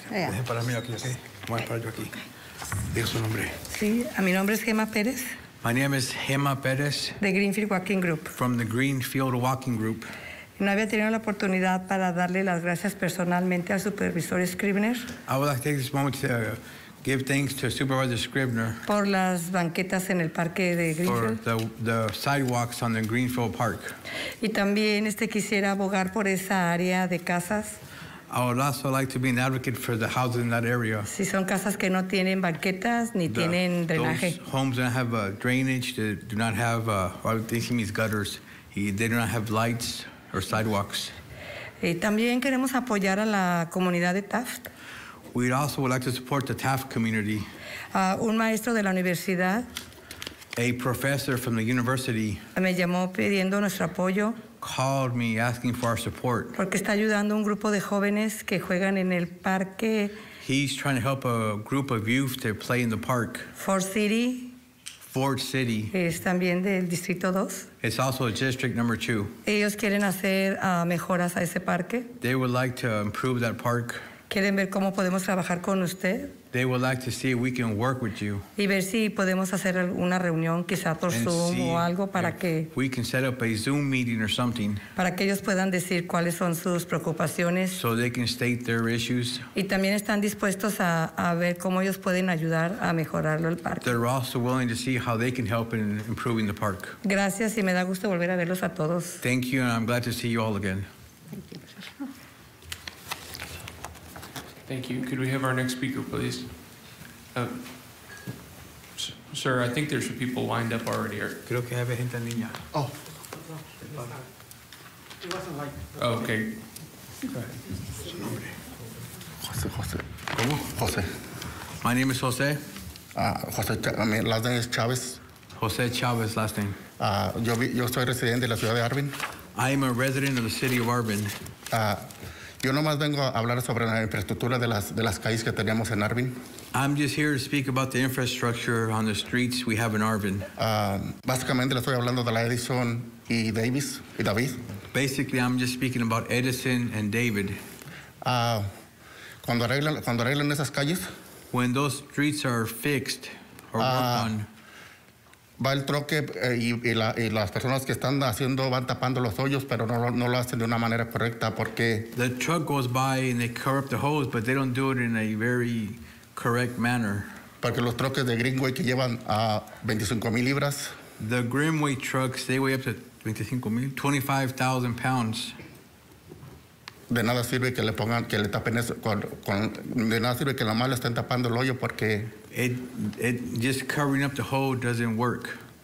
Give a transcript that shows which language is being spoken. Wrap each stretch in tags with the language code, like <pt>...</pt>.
<es>Deje para mí aquí, ¿ok? Voy a parar yo aquí. Diga su nombre. Sí, mi nombre es Gemma Perez.</es> <en>My name is Gemma Perez. The Greenfield Walking Group. From the Greenfield Walking Group.</en> <es>No había tenido la oportunidad para darle las gracias personalmente al supervisor Scribner.</es> <en>I would like to take this moment to give thanks to Supervisor Scribner.</en> <es>Por las banquetas en el parque de Greenfield.</es> <en>For the sidewalks on the Greenfield Park.</en> <es>Y también quisiera abogar por esa área de casas.</es> <en>I would also like to be an advocate for the houses in that area.</en> <es>Si son casas que no tienen banquetas ni tienen drenaje.</es> <en>Those homes don't have drainage. They do not have. Gutters. They do not have lights or sidewalks.</en> <es>Y también queremos apoyar a la comunidad de Taft.</es> <en>We also would like to support the Taft community.</en> <es>Un maestro de la universidad.</es> <en>A professor from the university.</en> <es>Me llamó pidiendo nuestro apoyo.</es> <en>Called me asking for our support.</en> <es>Porque está ayudando un grupo de jóvenes que juegan en el parque.</es> <en>He's trying to help a group of youth to play in the park. Fort City. Fort City.</en> <es>Es también del distrito 2.</es> <en>It's also district number 2.</en> <es>Ellos quieren hacer mejoras a ese parque.</es> <en>They would like to improve that park.</en> <es>Quieren ver cómo podemos trabajar con usted.</es> <en>They would like to see if we can work with you.</en> <es>Y ver si podemos hacer alguna reunión, quizá por Zoom o algo, para que</es> <en>we can set up a Zoom meeting or something.</en> <es>Para que ellos puedan decir cuáles son sus preocupaciones.</es> <en>So they can state their issues.</en> <es>Y también están dispuestos a ver cómo ellos pueden ayudar a mejorarlo el parque.</es> <en>They're also willing to see how they can help in improving the park.</en> <es>Gracias y me da gusto volver a verlos a todos.</es> <en>Thank you and I'm glad to see you all again. Thank you. Could we have our next speaker, please? Sir, I think there's people lined up already.</en> <es>Creo que hay gente en línea. Oh.</es> <en>Okay.</en> <es>Jose, Jose. ¿Cómo? Jose.</es> <en>My name is Jose. Last name is Chavez. Jose Chavez, last name.</en> <es>Yo soy residente de la ciudad de Arvin.</es> <en>I am a resident of the city of Arvin.</en> <es>Yo nomás vengo a hablar sobre la infraestructura de las calles que tenemos en Arvin.</es> <en>I'm just here to speak about the infrastructure on the streets we have in Arvin.</en> <es>Básicamente le estoy hablando de la Edison y Davis y David.</es> <en>Basically, I'm just speaking about Edison and David.</en> <es>Cuando arreglan esas calles.</es> <en>When those streets are fixed or worked on.</en> <es>Va el troque y las personas que están haciendo van tapando los hoyos, pero no lo hacen de una manera correcta porque</es> <en>the truck goes by and they cover up the holes, but they don't do it in a very correct manner.</en> <es>Porque los troques de Greenway que llevan a 25,000 libras.</es> <en>The Greenway trucks, they weigh up to 25,000 pounds.</en> <es>De nada sirve que le pongan, que le tapen eso, de nada sirve que la mala estén tapando el hoyo porque</es> <en>It just covering up the hole doesn't work.</en>